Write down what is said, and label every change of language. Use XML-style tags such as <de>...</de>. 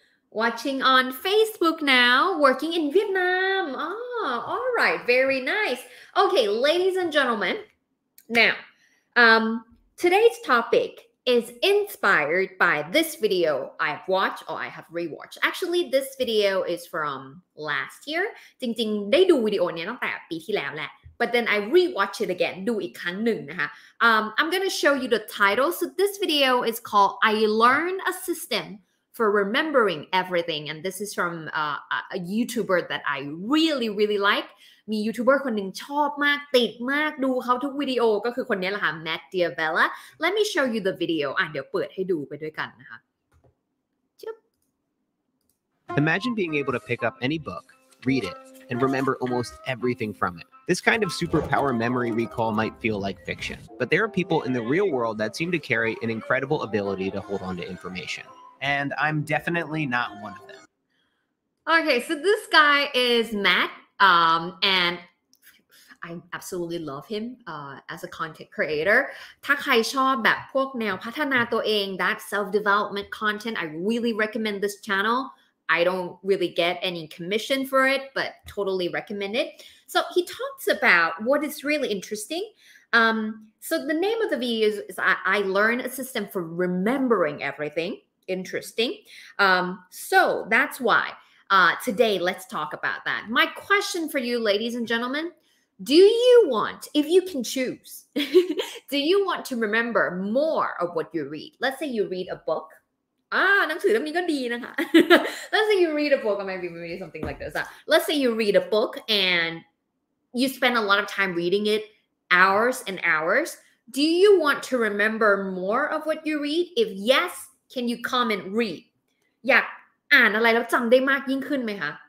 <en>Watching on Facebook now, working in Vietnam. All right, very nice. Okay, ladies and gentlemen, now, today's topic is inspired by this video I've watched or I have rewatched. Actually, this video is from last year.</en> <th>จริงๆ ได้ดูวิดีโอเนี้ยตั้งแต่ปีที่แล้วแหละ</th> <en>But then I rewatch it again,</en> <th>ดูอีกครั้งหนึ่งนะคะ</th> <en>I'm gonna show you the title. So this video is called I Learn a System for Remembering Everything. And this is from a YouTuber that I really, really like.</en> <th>มี YouTuber คนหนึ่งชอบมากติดมากดูเขาทุกวิดีโอก็คือคนนี้แหละค่ะ Matt Diavella.</th> <en>Let me show you the video.</en> <th>เดี๋ยวเปิดให้ดูไปด้วยกันนะคะ</th> <en>Imagine being able to pick up any book, read it, and remember almost everything from it. This kind of superpower memory recall might feel like fiction, but there are people in the real world that seem to carry an incredible ability to hold on to information. And I'm definitely not one of them. Okay, so this guy is Matt, and I absolutely love him as a content creator.</en> <th>ถ้าใครชอบแบบพวกแนวพัฒนาตัวเอง</th> <en>that self development content, I really recommend this channel. I don't really get any commission for it, but totally recommend it. So he talks about what is really interesting. So the name of the video is I learn a system for remembering everything. Interesting. So that's why today let's talk about that. My question for you, ladies and gentlemen, do you want, if you can choose, do you want to remember more of what you read? Let's say you read a book. Let's say you read a book. I might be reading something like this. Let's say you read a book and you spend a lot of time reading it, hours and hours. Do you want to remember more of what you read? If yes, can you comment read?</en> <th>อยากอ่านอะไรแล้วจำได้มากยิ่งขึ้นไหมคะ?</th>